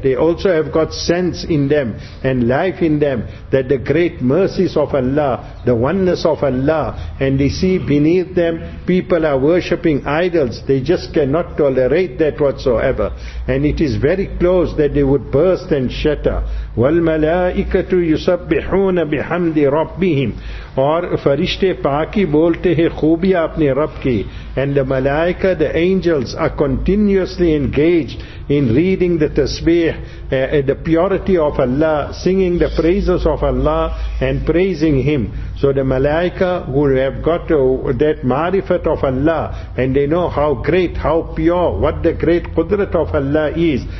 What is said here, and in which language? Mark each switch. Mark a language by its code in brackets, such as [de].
[en] They also have got sense in them and life in them that the great mercies of Allah, the oneness of Allah, and they see beneath them people are worshipping idols. They just cannot tolerate that whatsoever. And it is very close that they would burst and shatter. [ar] وَالْمَلَائِكَةُ يُسَبِّحُونَ بِحَمْدِ رَبِّهِمْ [ur] اور فرشتے پاکی بولتے ہیں خوبیا اپنے رب کی. [en] And the malaika, the angels, are continuously engaged in reading the tasbih, the purity of Allah, singing the praises of Allah and praising Him. So the malaika who have got that marifat of Allah and they know how great, how pure, what the great qudrat of Allah is.